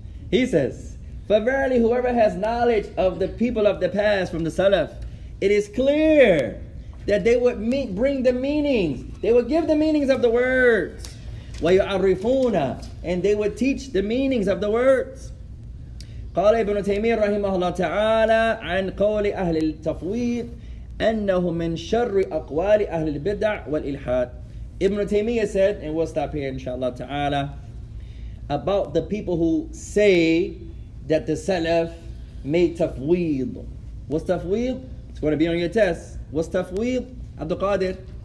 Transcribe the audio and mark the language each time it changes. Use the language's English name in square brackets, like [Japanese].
[English] He says, For verily, whoever has knowledge of the people of the past from the Salaf, it is clear that they would bring the meanings. They would give the meanings of the words. وَيُعَرِّفُونَ And they would teach the meanings of the words. [Arabic] قال ابن تيمية رحمه الله تعالى عن قول أهل التفويض أنه من شر أقوال أهل البدع والإلحاد. [English] Ibn Taymiyyah said, and we'll stop here inshallah ta'ala, about the people who say that the Salaf made tafweed. What's tafweed? It's going to be on your test. What's tafweed? Abdul Qadir?